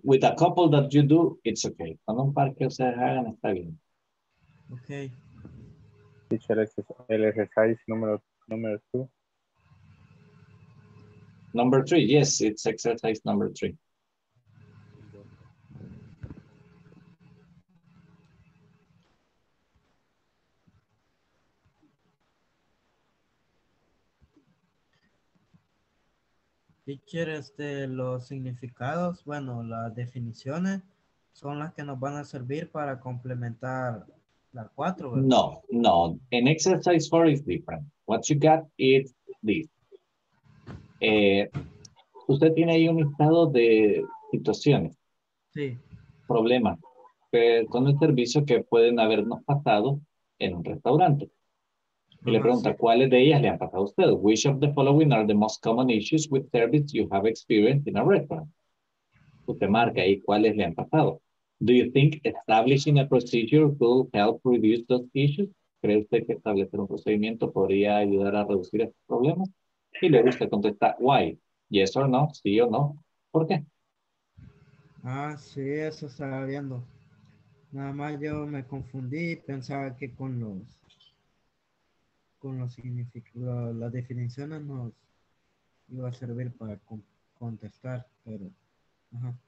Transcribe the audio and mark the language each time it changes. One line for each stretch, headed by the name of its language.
English: With a couple that you do, it's okay.
Spanish: Con un par que se hagan está bien.
English: Okay.
Spanish: Teacher, el exercise número 2.
English: Number 3, yes, it's exercise number 3.
Spanish: Teacher, este, los significados, bueno, las definiciones son las que nos van a servir para complementar la 4, ¿verdad?
English: No. An exercise 4 is different. What you got is this.
Spanish: usted tiene ahí un estado de situaciones. Sí. Problema. Con el servicio que pueden habernos pasado en un restaurante. Y le pregunta, ¿cuáles de ellas le han pasado a usted?
English: Which of the following are the most common issues with service you have experienced in a restaurant?
Spanish: Usted marca ahí cuáles le han pasado.
English: Do you think establishing a procedure will help reduce those issues?
Spanish: ¿Cree usted que establecer un procedimiento podría ayudar a reducir estos problemas? Y luego usted contesta,
English: why? Yes or no,
Spanish: sí o no, ¿por qué? Ah, sí, eso estaba viendo. Nada más yo me confundí y pensaba que con las definiciones nos iba a servir para contestar, pero ajá.